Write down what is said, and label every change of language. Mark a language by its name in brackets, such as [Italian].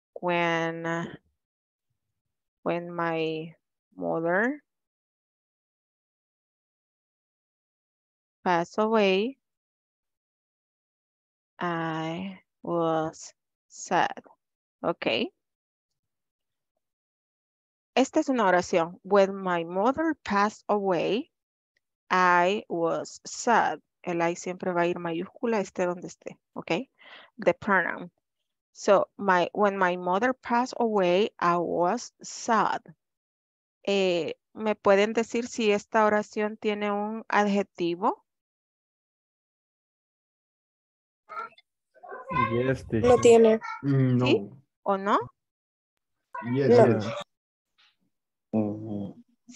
[English] When my mother passed away, I was sad. Okay. [Spanish] Esta es una oración. [English] When my mother passed away, I was sad. [Spanish] El I siempre va a ir mayúscula, esté donde esté. [English] Okay. The pronoun. So, when my mother passed away, I was sad. [Spanish] ¿Me pueden decir si esta oración tiene un adjetivo? [English] Yes, [Spanish] no tiene. No. ¿Sí? ¿O no? [English] Yes, no. Yes.